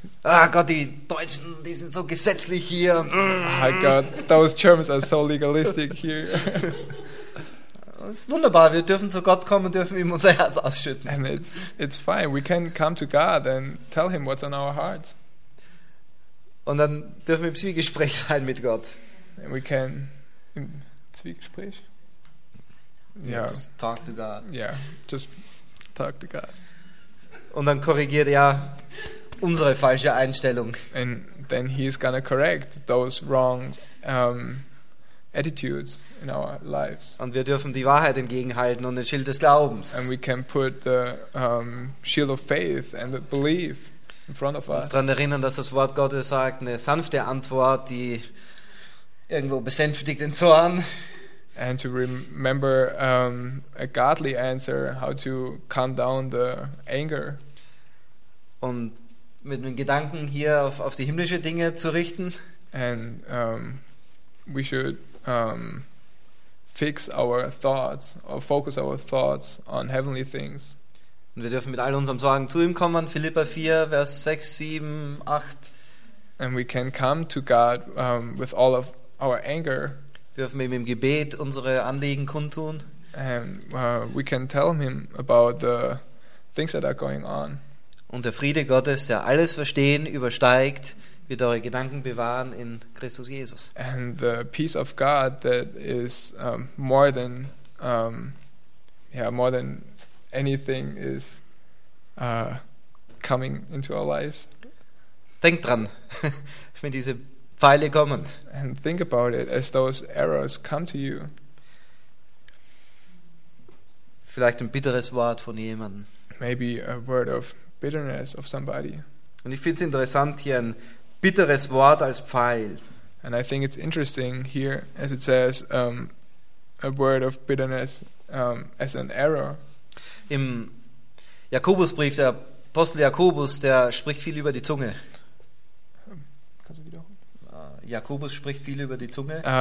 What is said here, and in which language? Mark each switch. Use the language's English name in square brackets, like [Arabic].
[German] Ah, Gott, die Deutschen, die sind so gesetzlich hier. [English] Ah, God, those Germans are so legalistic here. [German] Es ist wunderbar, wir dürfen zu Gott kommen und dürfen ihm unser Herz ausschütten. [English] And it's fine, we can come to God and tell him what's on our hearts. [German] Und dann dürfen wir im Zwiegespräch sein mit Gott. [English] And we can [German] im Zwiegespräch? [English] Yeah. Just talk to God. Yeah, just talk to God. [German] Und dann korrigiert er unsere falsche Einstellung. [English] And then he's gonna correct those wrong attitudes in our lives. [German] Und wir dürfen die Wahrheit entgegenhalten und den Schild des Glaubens. [English] And we can put the shield of faith and the belief in front of us. [German] Daran erinnern, dass das Wort Gottes sagt, eine sanfte Antwort, die irgendwo besänftigt den Zorn. [English] And to remember a godly answer, how to calm down the anger. [German] Und mit dem Gedanken hier auf die himmlische Dinge zu richten. [English] And we should fix our thoughts or focus our thoughts on heavenly things. [German] Und wir dürfen mit all unseren Sorgen zu ihm kommen, Philipper 4, Vers 6, 7, 8. [English] And we can come to God with all of our anger. [German] Dürfen wir ihm im Gebet unsere Anliegen kundtun. [English] And we can tell him about the things that are going on. [German] Und der Friede Gottes, der alles Verstehen übersteigt, wird eure Gedanken bewahren in Christus Jesus. [English] And the peace of God that is more than more than anything is coming into our lives. [German] Denk dran, wenn diese Pfeile kommen. [English] And think about it as those arrows come to you. [German] Vielleicht ein bitteres Wort von jemandem. [English] Maybe a word of bitterness of somebody. [German] Und ich finde es interessant hier ein bitteres Wort als Pfeil. [English] And I think it's interesting here as it says a word of bitterness as an arrow. [German] Im Jakobusbrief, der Apostel Jakobus, der spricht viel über die Zunge. Kannst du wiederholen? Jakobus spricht viel über die Zunge.